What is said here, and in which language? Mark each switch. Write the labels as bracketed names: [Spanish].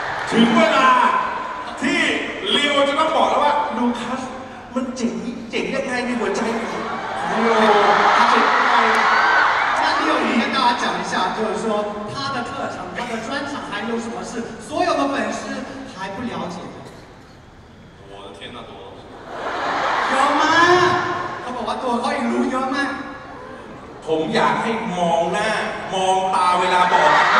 [Thai] ถึงเวลาที่ลิวจะต้องบอกแล้วว่าลูคัสมันเจ๋งยังไงในหัวใจของ ลิว เจ๋งยังไงท่านลิวให้ [Chinese] 大家讲一下就是说他的特长他的专长还有什么是所有的粉丝还不了解的我的天哪多有吗他 [Thai] บอกว่าตัวเขาเองรู้เยอะมาก ผมอยากให้มองหน้ามองตาเวลาบอก